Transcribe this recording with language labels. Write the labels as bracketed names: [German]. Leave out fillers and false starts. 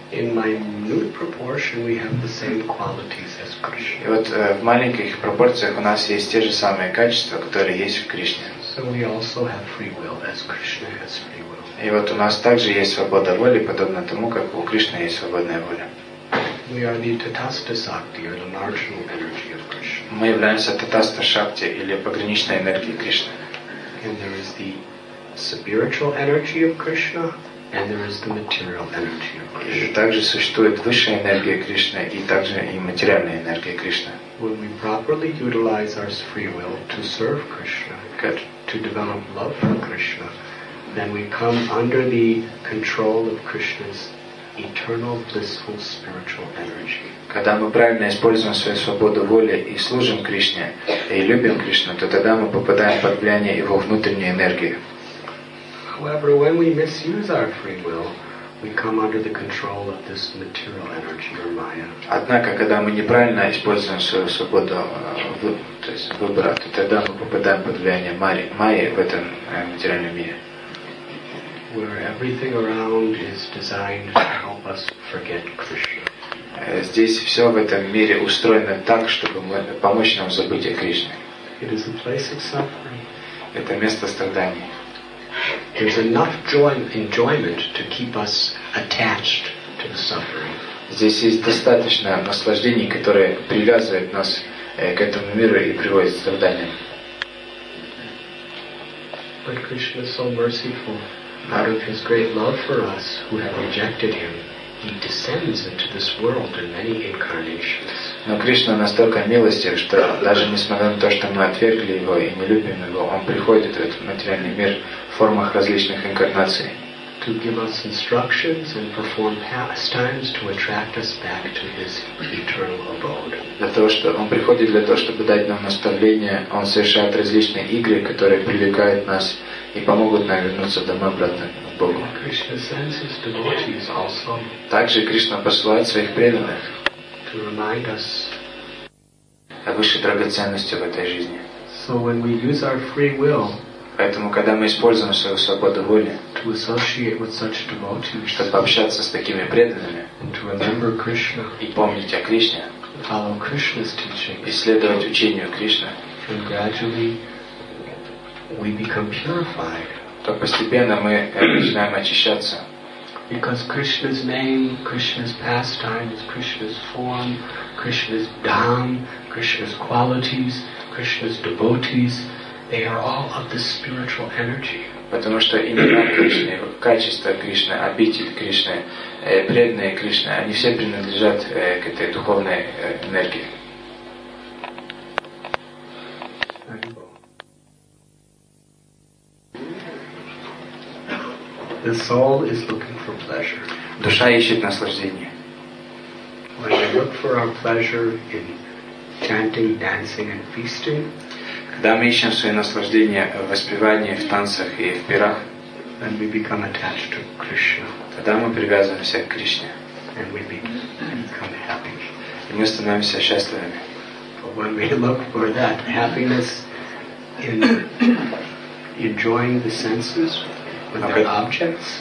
[English] In minute proportion we have the same qualities as Krishna. [Russian] И вот в маленьких пропорциях у нас есть те же самые качества, которые есть в Кришне. [English] So we also have free will as Krishna has free will. [Russian] И вот у нас также есть свобода воли, подобно тому, как у Кришны есть свободная воля. [English] We are the Tathasta Shakti or the marginal energy of Krishna. [Russian] Мы являемся Tathasta Shakti или пограничной энергией Кришны. [English] And there is the spiritual energy of Krishna, and there is the material energy of Krishna. [Russian] И также существует высшая энергия Кришны и также и материальная энергия Кришны. [English] When we properly utilize our free will to serve Krishna, to develop love for Krishna, then we come under the control of Krishna's eternal blissful spiritual energy. [Russian] Когда мы правильно используем свою свободу воли и служим Кришне и любим Кришну, то тогда мы попадаем под влияние Его внутренней энергии. [English] However, when we misuse our free will, we come under the control of this material energy or Maya. [Russian] Однако, когда мы неправильно используем свою свободу, то есть выбора, то тогда мы попадаем под влияние Майи в этом материальном мире. [English] Where everything around is designed to help us forget Krishna. [Russian] Здесь все в этом мире устроено так, чтобы помочь нам забыть о Кришне. [English] It is a place of suffering. [Russian] Это место страданий. [English] There's enough joy, enjoyment to keep us attached to the suffering. [Russian] Здесь есть достаточно наслаждений, которые привязывают нас к этому миру и приводят к страданиям. [English] But Krishna is so merciful. Out of his great love for us, who have rejected him, he descends into this world in many incarnations. [Russian] Но Кришна настолько милостив, что даже несмотря на то, что мы отвергли его и не любим его, он приходит в этот материальный мир в формах различных инкарнаций. [English] To give us instructions and perform pastimes to attract us back to his eternal abode. [Russian] Для того, что он приходит для того, чтобы дать нам наставления, он совершает различные игры, которые привлекают нас и помогут нам вернуться домой обратно к Богу. [English] Krishna sends his devotees also. [Russian] Также Кришна посылает своих преданных. [English] To remind us. [Russian] О высшей драгоценности в этой жизни. [English] So when we use our free will. [Russian] Поэтому, когда мы используем свою свободу воли, [English] to associate with such devotees, [Russian] чтобы общаться с такими преданными, [English] and to remember Krishna, [Russian] и помнить о Кришне, [English] follow Krishna's teachings, [Russian] и следовать учению Кришны, [English] then gradually we become purified, [Russian] то постепенно мы начинаем очищаться. [English] Because Krishna's name, Krishna's pastimes, Krishna's form, Krishna's dham, Krishna's qualities, Krishna's devotees, they are all of the spiritual energy. [Russian] Потому что имена Кришны, качества Кришны, обитель Кришны, преданные Кришны, они все принадлежат к этой духовной энергии. [English] The soul is looking for pleasure. [Russian] Душа ищет наслаждение. [English] When we look for our pleasure in chanting, dancing, and feasting, [Russian] когда мы ищем свое наслаждение в воспевании, в танцах и в пирах, [English] and we become attached to Krishna. [Russian] Тогда мы привязываемся к Кришне. [English] And we become happy. [Russian] И мы становимся счастливыми. [English] But when we look for that happiness in enjoying the senses with their objects,